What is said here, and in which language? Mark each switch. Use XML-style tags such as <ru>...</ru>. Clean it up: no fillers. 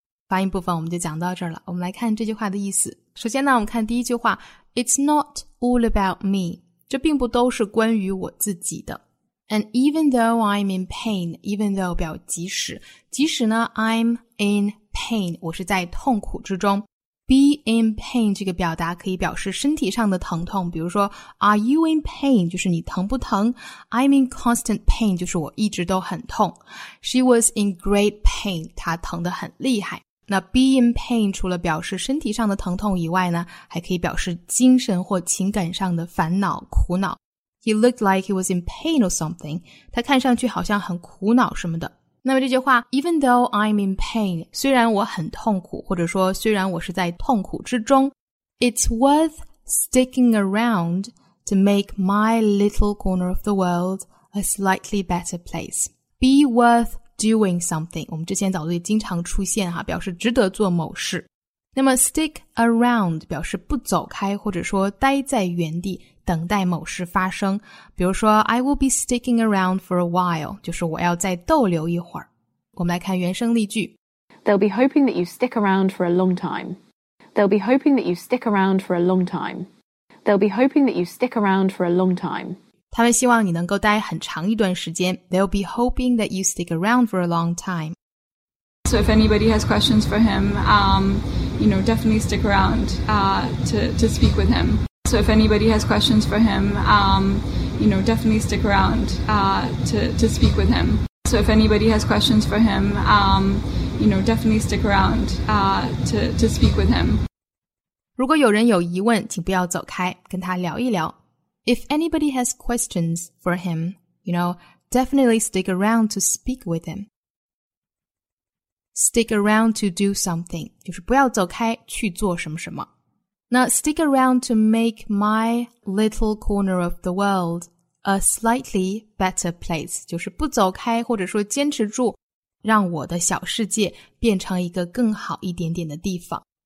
<zh>发音部分我们就讲到这儿了。我们来看这句话的意思。首先呢，我们看第一句话 ，</zh> <en>It's not all about me，</en> <zh>这并不都是关于我自己的。</zh> <en>And even though I'm in pain， even though</en> <zh>表即使，即使呢</zh> <en>，I'm in pain，</en> <zh>我是在痛苦之中。 Be in pain 这个表达可以表示身体上的疼痛，比如说 ，</zh> <en>Are you in pain？</en> <zh>就是你疼不疼 ？</zh> <en>I'm in constant pain，</en> <zh>就是我一直都很痛。</zh> <en>She was in great pain，</en> <zh>她疼得很厉害。那 be in pain 除了表示身体上的疼痛以外呢，还可以表示精神或情感上的烦恼、苦恼。</zh> <en>He looked like he was in pain or something.</en> <zh>他看上去好像很苦恼什么的。那么这句话</zh> <en>,even though I'm in pain,</en> <zh>虽然我很痛苦或者说虽然我是在痛苦之中</zh> <en>,it's worth sticking around to make my little corner of the world a slightly better place. Be worth doing something,</en> <zh>我们之前早就经常出现哈、啊、表示值得做某事。那么 stick around 表示不走开或者说待在原地等待某事发生。比如说</zh> <en>I will be sticking around for a while,</en> <zh>就是我要再逗留一会儿。我们来看原声例句。</zh> <en>They'll be hoping that you stick around for a long time. They'll be hoping that you stick around for a long time. They'll be hoping that you stick around for a long time.</en> <zh>他们希望你能够待很长一段时间。</zh> <en>They'll be hoping that you stick around for a long time. So if anybody has questions for him, you know, definitely stick around to speak with him. So if anybody has questions for him, you know, definitely stick around to speak with him. So if anybody has questions for him, you know, definitely stick around to speak with him.</en> <zh>如果有人有疑问，请不要走开，跟他聊一聊。</zh> <en>If anybody has questions for him, you know, definitely stick around to speak with him. Stick around to do something,</en> <zh>就是不要走开去做什么什么。那</zh> <en>stick around to make my little corner of the world a slightly better place,</en> <zh>就是不走开或者说坚持住让我的小世界变成一个更好一点点的地方。</zh>